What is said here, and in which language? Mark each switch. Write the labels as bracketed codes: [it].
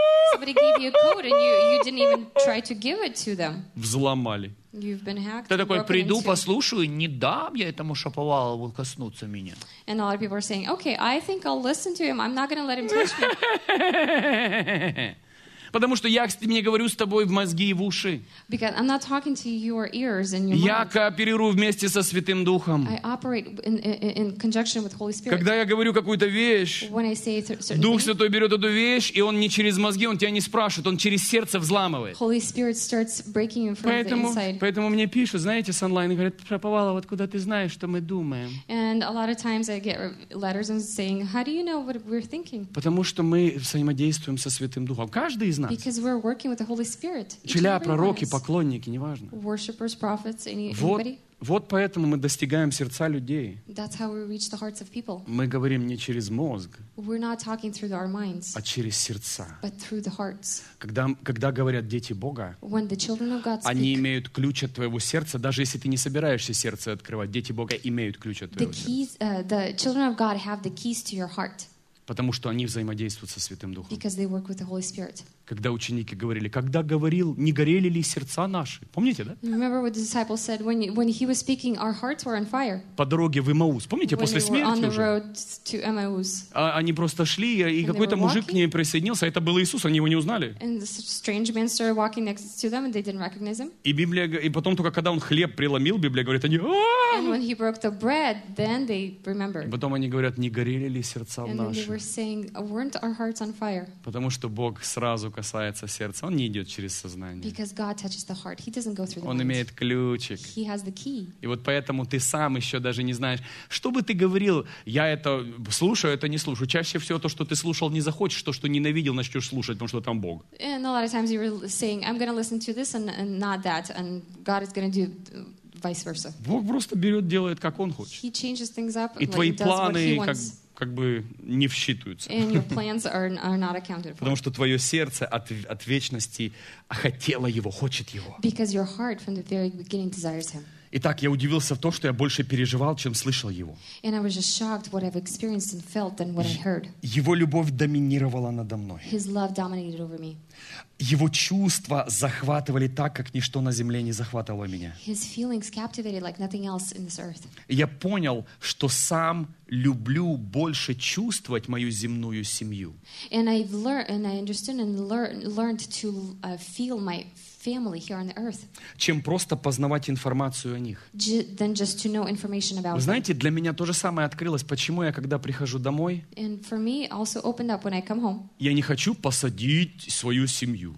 [en] Somebody gave you a code and you didn't even try to give it to them. [ru] Взломали. [en] You've been hacked. [ru] Ты такой, приду, послушаю, не дам я этому Шаповалову коснуться меня. [en] And a lot of people are saying, okay, I think I'll listen to him. I'm not going to let him touch me. [ru] Потому что я не говорю с тобой в мозги и в уши. [en] Because I'm not talking to your ears and your mind. [ru] Я кооперирую вместе со Святым Духом. [en] I operate in conjunction with Holy Spirit. [ru] Когда я говорю какую-то вещь, [en] when I say certain [ru] Дух [en] things, [ru] Святой берет эту вещь, и Он не через мозги, Он тебя не спрашивает, Он через сердце взламывает. [en] Holy Spirit starts breaking in from [ru] поэтому, [en] the inside. [ru] Поэтому мне пишут, знаете, с онлайн, говорят, Шаповалов, откуда ты знаешь, что мы думаем? [en] And a lot of times I get letters and saying, how do you know what we're thinking? [ru] Потому что мы взаимодействуем со Святым Духом. Каждый из [en] Because we're working with the Holy Spirit. [ru] Челя, пророки, поклонники, неважно. [en] Worshippers, prophets, anybody. [ru] Вот поэтому мы достигаем сердца людей. [en] That's how we reach the hearts of people. [ru] Мы говорим не через мозг, [en] we're not talking through our minds, [ru] а через сердца. [en] But through the hearts. [ru] Когда говорят дети Бога, [en] when the children of God speak, [ru] они имеют ключ от твоего сердца, даже если ты не собираешься сердце открывать. Дети Бога имеют ключ от твоего сердца. [en] The children of God have the keys to your heart. [ru] Потому что они взаимодействуют со Святым Духом. Когда ученики говорили, когда говорил, не горели ли сердца наши? Помните, да? [en] Remember what the disciples said when he was speaking, our hearts were on fire. [ru] По дороге в Эммаус. Помните, [en] when [ru] после смерти [en] on the [ru] уже? [en] Road to Emmaus. [ru] А, они просто шли, и [en] and [ru] какой-то мужик [en] walking. [ru] К ним присоединился. Это был Иисус, они его не узнали. [en] And this strange man started walking next to them, and they didn't recognize him. [ru] И Библия, и потом только когда он хлеб преломил, Библия говорит, они... [en] And when he broke the bread, then they remembered. [ru] И потом они говорят, не горели ли сердца [en] and [ru] наши? [en] They were saying, weren't our hearts on fire? [ru] Потому что Бог сразу касается сердца. Он не идет через сознание. Он имеет ключик. [en] He has the key. [ru] И вот поэтому ты сам еще даже не знаешь. Что бы ты говорил, я это слушаю, это не слушаю. Чаще всего то, что ты слушал, не захочешь. То, что ненавидел, начнешь слушать, потому что там Бог. [en] And a lot of times you were saying, I'm going to listen to this and not that. And God is going to do... Vice versa. [ru] Бог просто берет, делает, как Он хочет. [en] He changes things up, [ru] и твои планы как бы не всчитываются. [en] And your plans are not accounted for. [ru] Потому что твое сердце от вечности хотело Его, хочет Его. [en] Because your heart from the very beginning desires Him. [ru] Итак, я удивился в том, что я больше переживал, чем слышал Его. [en] And I was just shocked what I've experienced and felt than what I heard. [ru] Его любовь доминировала надо мной. [en] His love dominated over me. [ru] Его чувства захватывали так, как ничто на земле не захватывало меня. [en] His feelings captivated like nothing else in this earth. [ru] Я понял, что сам люблю больше чувствовать мою земную семью. [en] And I've learned, and I understood and learned to feel my family here on the earth. [ru] Чем просто познавать информацию о них. [en] Than just to know information about them. [ru] Знаете, для меня то же самое открылось, почему я, когда прихожу домой, [en] And for me also opened up when I come home. [ru] Я не хочу посадить свою семью.